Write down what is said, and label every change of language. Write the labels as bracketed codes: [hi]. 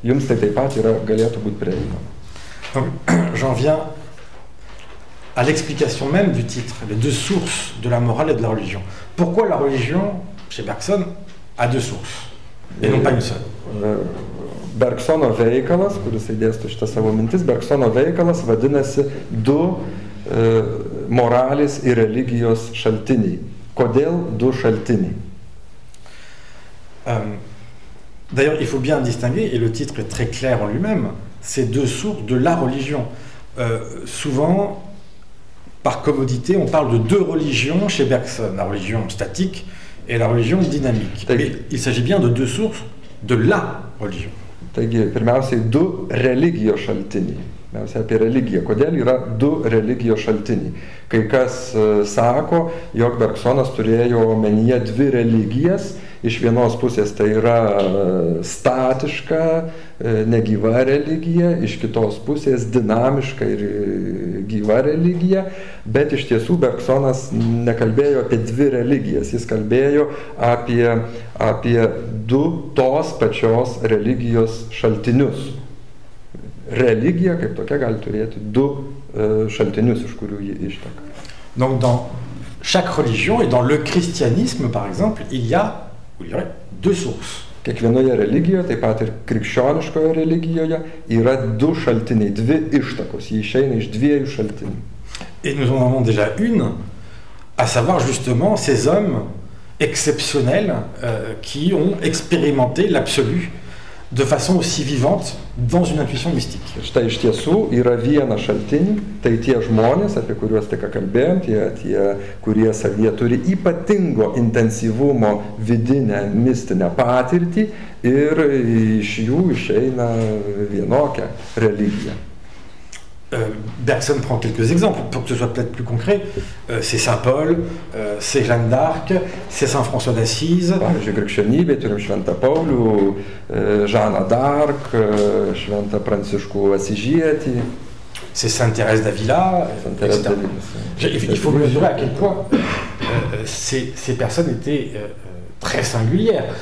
[lt] Jums tai taip pat galėtų būti prieinama. [fr] Donc, j'en viens à l'explication même du titre, les deux sources de la morale et de la religion. Pourquoi la religion, chez Bergson, a deux sources, et non pas une seule? [lt] Bergsono veikalas, kuris dėsto šitą savo mintis, Bergsono veikalas vadinasi du moralės ir religijos šaltiniai. Kodėl du šaltiniai? [fr] D'ailleurs, il faut bien distinguer, et le titre est très clair en lui-même, ces deux sources de la religion. Souvent, par commodité, on parle de deux religions chez Bergson, la religion statique et la religion dynamique. Mais il s'agit bien de deux sources de la religion. [lt] Taigi, pirmiausiai, du religijos šaltiniai. Mes apie religiją. Kodėl yra du religijos šaltiniai? Kai kas sako, jog Bergsonas turėjo omenyje dvi religijas. Iš vienos pusės tai yra statiška, negyva religija, iš kitos pusės dinamiška ir gyva religija. Bet iš tiesų Bergsonas nekalbėjo apie dvi religijas, jis kalbėjo apie du tos pačios religijos šaltinius. Religija kaip tokia gali turėti du šaltinius, iš kurių ji išteka. [fr] Donc dans chaque religion et dans le christianisme par exemple, il y aurait deux sources. [lt] Kiekvienoje religijoje, taip pat ir krikščioniškoje religijoje, yra du šaltiniai, dvi ištakos, jie išeina iš dviejų šaltinių. [fr] Et nous en avons déjà une, à savoir justement ces hommes exceptionnels qui ont expérimenté l'absolu de façon aussi vivante dans une intuition mystique. [lt] Štai iš tiesų yra vienas šaltinis, tai tie žmonės, apie kuriuos tik kalbėjom, tie, kurie savyje turi ypatingo intensyvumo vidinę mistinę patirtį ir iš jų išeina vienokia religija. [fr] Bergson prend quelques exemples pour que ce soit peut-être plus concret. C'est Saint Paul, c'est Jeanne d'Arc, c'est Saint François d'Assise. [lt] Pavyzdžiui, krikščionybė turim Šventą Paulių, Jeanne d'Arc, Šventą Pranciškų Asyžietį. [fr] C'est Saint Thérèse d'Avila, etc. Il faut mesurer à quel point ces personnes étaient très singulières.